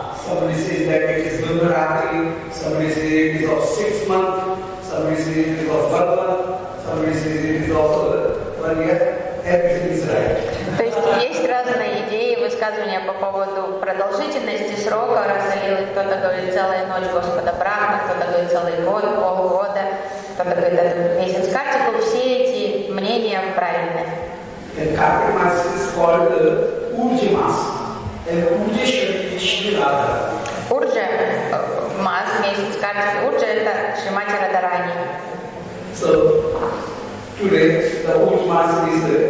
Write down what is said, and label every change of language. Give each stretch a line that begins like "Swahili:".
English: Somebody says that it is Vimaratri, somebody says it is of 6 months, somebody says it is of 1 month, somebody says it is of 1 year, everything is right.
Russian: То есть есть разные идеи, высказывания по поводу продолжительности срока Расалилы. Кто-то говорит целая ночь Господа Брахма, кто-то говорит целый год, полгода, кто-то говорит этот месяц Картику. Все эти мнения правильны.
English: The Kartik mass is called Urji mass. And Urji Shri Radha.
Russian: Urji mass, месяц Картики. Urji – это Шримати Радарани.
English: So, today the Urji mass is